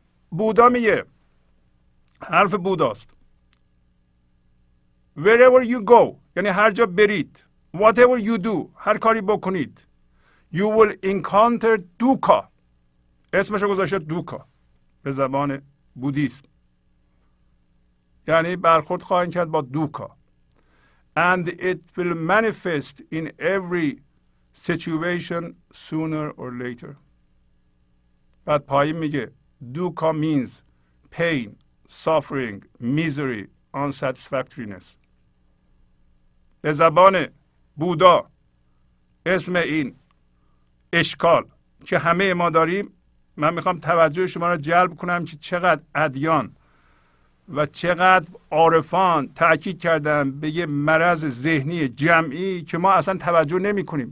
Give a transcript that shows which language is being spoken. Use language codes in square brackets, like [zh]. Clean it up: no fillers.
[fa] بودا میگه، حرف بوداست، [en] wherever you go [fa] یعنی هر جا برید، [en] whatever you do [fa] هر کاری بکنید، [en] you will encounter dukkha. [fa] اسمشو گذاشته دوکا به زبان بودیست، یعنی برخورد خواهید کرد با دوکا. [en] And it will manifest in every situation sooner or later. [fa] بعد پایین میگه دوکا [en] means pain, suffering, misery, unsatisfactoriness. [fa] به زبان بودا اسم این اشکال که همه ما داریم، من میخوام توجه شما رو جلب کنم که چقدر ادیان و چقدر عارفان تاکید کردن به یه مرض ذهنی جمعی که ما اصلا توجه نمی کنیم.